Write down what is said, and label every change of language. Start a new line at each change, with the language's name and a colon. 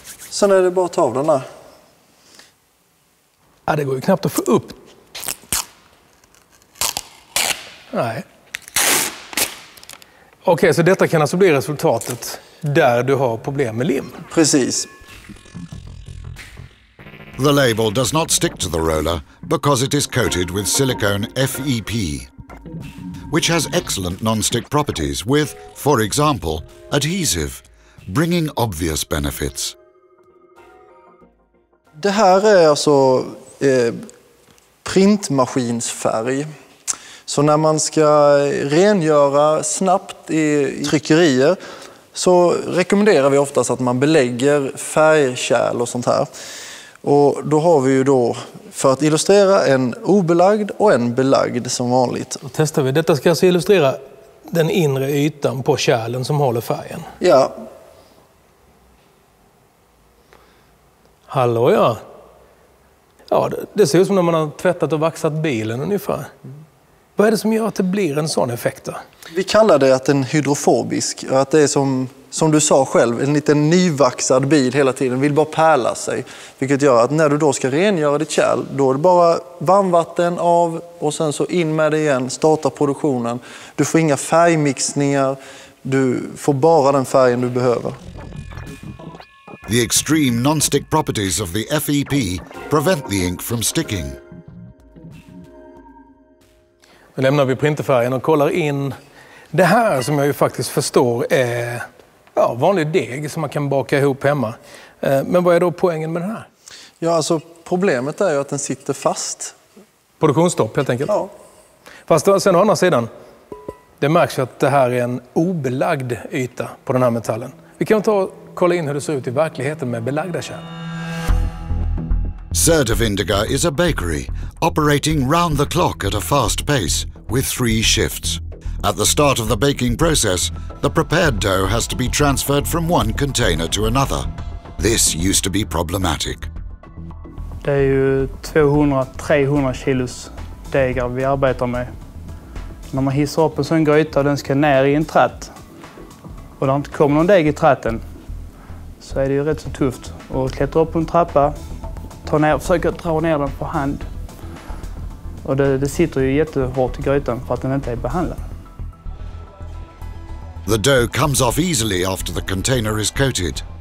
Swedish: Sen är det bara att ta av den där. Ja, det går ju knappt att få upp. Nej. Okej, så detta kan alltså bli resultatet där du har problem med lim. Precis.
English: The label does not stick to the roller because it is coated with silicone FEP, which has excellent non-stick properties with, for example, adhesive, bringing obvious benefits.
Swedish: Det här är alltså printmaskinsfärg. Så när man ska rengöra snabbt i tryckerier så rekommenderar vi oftast att man belägger färgkärl och sånt här. Och då har vi ju då, för att illustrera, en obelagd och en belagd som vanligt. Då testar vi. Detta ska alltså illustrera den inre ytan på kärlen som håller färgen. Ja. Hallå ja. Ja, det ser ut som när man har tvättat och vaxat bilen ungefär. Vad är det som gör att det blir en sån effekt då? Vi kallar det att den är hydrofobisk. Att det är som du sa själv, en liten nyvaxad bil hela tiden vill bara pärla sig. Vilket gör att när du då ska rengöra ditt kärl, då är det bara varmvatten av och sen så in med det igen, starta produktionen. Du får inga färgmixningar, du får bara den färgen du behöver.
English: The extreme non-stick properties of the FEP prevent the ink from sticking.
Swedish: Nu lämnar vi printerfärgen och kollar in det här som jag ju faktiskt förstår är ja, vanlig deg som man kan baka ihop hemma. Men vad är då poängen med den här? Ja, alltså problemet är ju att den sitter fast. Produktionsstopp helt enkelt? Ja. Fast sen å andra sidan, det märks ju att det här är en obelagd yta på den här metallen. Vi kan ta och kolla in hur det ser ut i verkligheten med belagda kärn.
English: Certevindica is a bakery operating round the clock at a fast pace with three shifts. At the start of the baking process, the prepared dough has to be transferred from one container to another. This used to be problematic.
Swedish: Det är ju 200-300 kilos degar vi arbetar med. När man hissar upp en sån gryta och den ska ner i en trätt och det inte kommer någon deg i trätten, så är det ju rätt så tufft att klättra upp en trappa, ta ner, försöka dra ner den på hand. Och det sitter ju jättehårt i grytan för att den inte är behandlad.
English: The dough comes off easily after the container is coated.